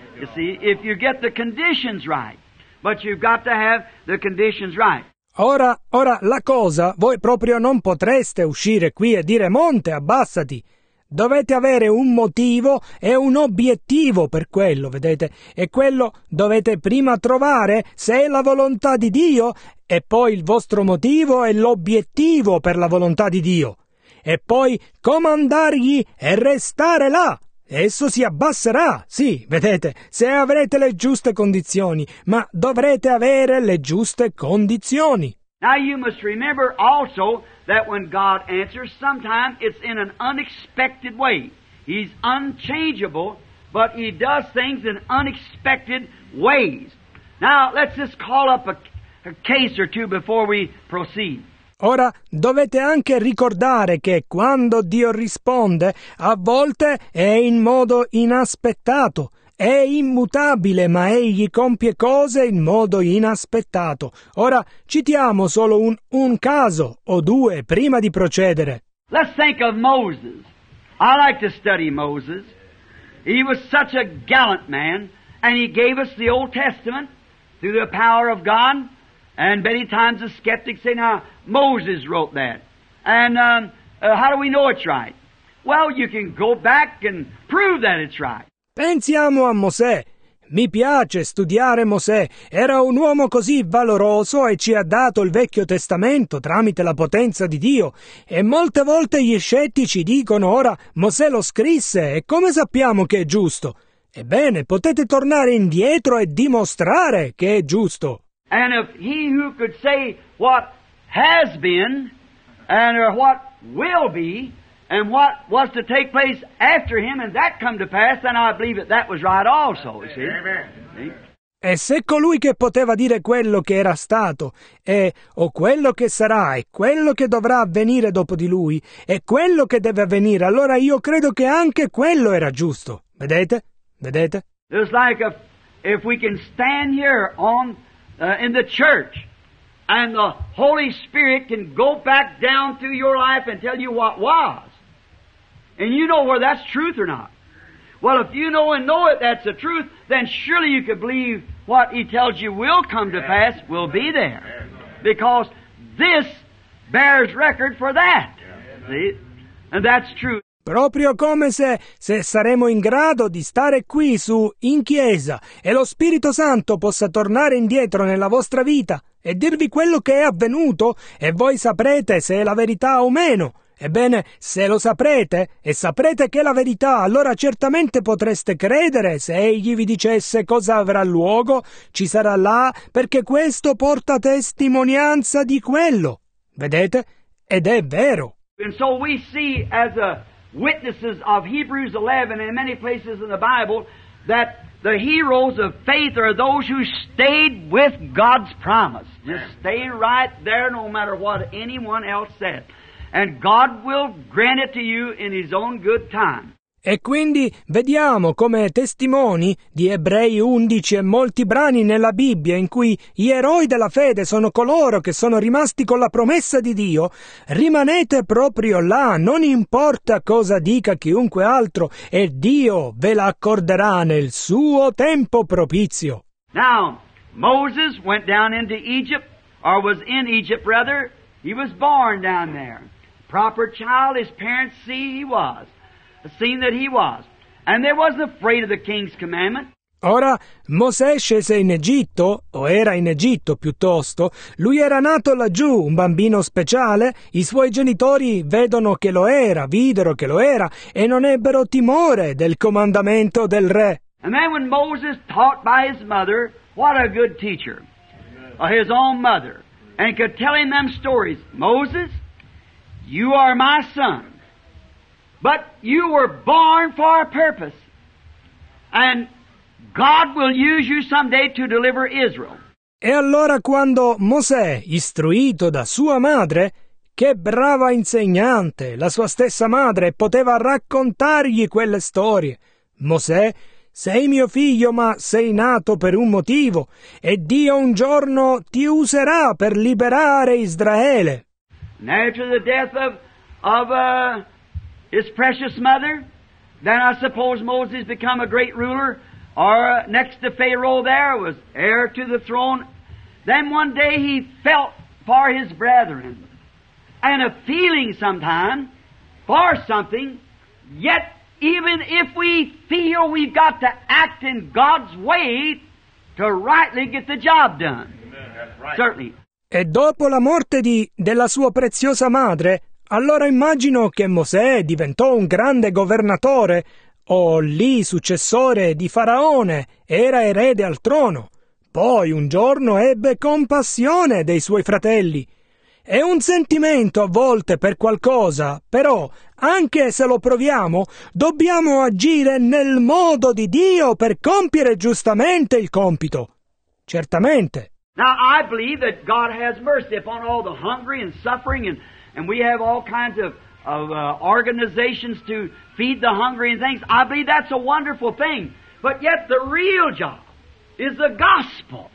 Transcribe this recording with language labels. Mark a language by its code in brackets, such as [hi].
[en] You see, if you get the conditions right. But you've got to have the conditions right. [it] Ora, la cosa, voi proprio non potreste uscire qui e dire, monte, abbassati. Dovete avere un motivo e un obiettivo per quello, vedete? E quello dovete prima trovare se è la volontà di Dio e poi il vostro motivo è l'obiettivo per la volontà di Dio. E poi comandargli e restare là. Esso si abbasserà, sì, vedete, se avrete le giuste condizioni, ma dovrete avere le giuste condizioni. [en] Now you must remember also that when God answers, sometimes it's in an unexpected way. He's unchangeable, but He does things in unexpected ways. Now, let's just call up a case or two before we proceed. [it] Ora, dovete anche ricordare che quando Dio risponde, a volte è in modo inaspettato. È immutabile, ma egli compie cose in modo inaspettato. Ora citiamo solo un caso o due prima di procedere. [en] Let's think of Moses. I like to study Moses. He was such a gallant man, and he gave us the Old Testament through the power of God. And many times the skeptics say, "Now Moses wrote that, and how do we know it's right?" Well, you can go back and prove that it's right. [it] Pensiamo a Mosè. Mi piace studiare Mosè. Era un uomo così valoroso e ci ha dato il Vecchio Testamento tramite la potenza di Dio. E molte volte gli scettici dicono ora, Mosè lo scrisse e come sappiamo che è giusto? Ebbene, potete tornare indietro e dimostrare che è giusto. [en] And if he who could say what has been and what will be and what was to take place after him, and that come to pass, then I believe that was right also, you see? Amen. [it] E se colui che poteva dire quello che era stato, e o quello che sarà, e quello che dovrà avvenire dopo di lui, e quello che deve avvenire, allora io credo che anche quello era giusto. Vedete? Vedete? [en] It's like if we can stand here in the church, and the Holy Spirit can go back down through your life and tell you what was. And you know whether that's truth or not. Well, if you know and know it that's the truth, then surely you could believe what He tells you will come to pass will be there. Because this bears record for that. See? And that's true. [it] Proprio come se saremo in grado di stare qui su in chiesa e lo Spirito Santo possa tornare indietro nella vostra vita e dirvi quello che è avvenuto e voi saprete se è la verità o meno. Ebbene, se lo saprete e saprete che è la verità, allora certamente potreste credere se egli vi dicesse cosa avrà luogo, ci sarà là, perché questo porta testimonianza di quello. Vedete? Ed è vero. [en] And so we see as a witnesses of Hebrews 11 and many places in the Bible that the heroes of faith are those who stayed with God's promise. Just stay right there no matter what anyone else said. And God will grant it to you in His own good time. [it] E quindi vediamo come testimoni di Ebrei 11 e molti brani nella Bibbia in cui gli eroi della fede sono coloro che sono rimasti con la promessa di Dio, rimanete proprio là, non importa cosa dica chiunque altro, e Dio ve la accorderà nel suo tempo propizio. [en] Now, Moses went down into Egypt, or was in Egypt, rather. He was born down there. Proper child, his parents see he was. Seen that he was, and they wasn't afraid of the king's commandment. [it] Ora Mosè scese in Egitto, o era in Egitto piuttosto. Lui era nato laggiù, un bambino speciale. I suoi genitori vedono che lo era, videro che lo era, e non ebbero timore del comandamento del re. [en] And then when Moses taught by his mother, what a good teacher, his own mother, and could tell him them stories. Moses, You are my son. But you were born for a purpose. And God will use you someday to deliver Israel. [it] E allora quando Mosè, istruito da sua madre, che brava insegnante, la sua stessa madre, poteva raccontargli quelle storie. Mosè, sei mio figlio, ma sei nato per un motivo, e Dio un giorno ti userà per liberare Israele. [en] After the death of his precious mother, then I suppose Moses became a great ruler, or next to Pharaoh there was heir to the throne. Then one day he felt for his brethren, and a feeling sometime for something, yet even if we feel, we've got to act in God's way to rightly get the job done. Amen. That's right. Certainly. [it] E dopo la morte della sua preziosa madre, allora immagino che Mosè diventò un grande governatore, o lì successore di Faraone, era erede al trono. Poi un giorno ebbe compassione dei suoi fratelli. È un sentimento a volte per qualcosa, però, anche se lo proviamo, dobbiamo agire nel modo di Dio per compiere giustamente il compito. Certamente. [en] Now I believe that God has mercy upon all the hungry and suffering, and we have all kinds of organizations to feed the hungry and things. I believe that's a wonderful thing. But yet the real job is the gospel.